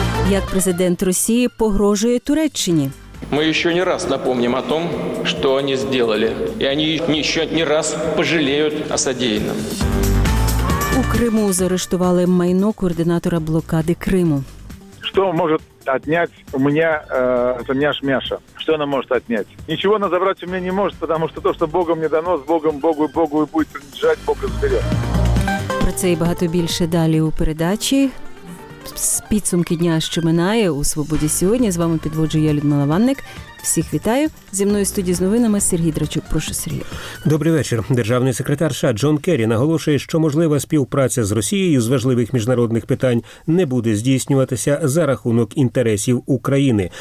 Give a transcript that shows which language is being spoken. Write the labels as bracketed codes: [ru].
[uk] Як президент Росії погрожує Туреччині? Ми ще не раз [ru] напомнимо о том, [uk] що вони зробили. І вони ще не раз пожаліють о содіяному. У Криму заарештували майно координатора блокади Криму. [ru] Что может отнять у меня это няш Мяша? Что она может отнять? Ничего она забрать у меня не может, потому что то, что Богом мне дано, с Богом, Богу и Богу и будет принадлежать, Бог разберет. [uk] Про це і багато більше далі у передачі. З підсумки дня, що минає у «Свободі сьогодні». З вами підводжу я, Людмила Ванник. Всіх вітаю. Зі мною в студії з новинами Сергій Драчук. Прошу, Сергій. Добрий вечір. Державний секретар США Джон Керрі наголошує, що можлива співпраця з Росією з важливих міжнародних питань не буде здійснюватися за рахунок інтересів України.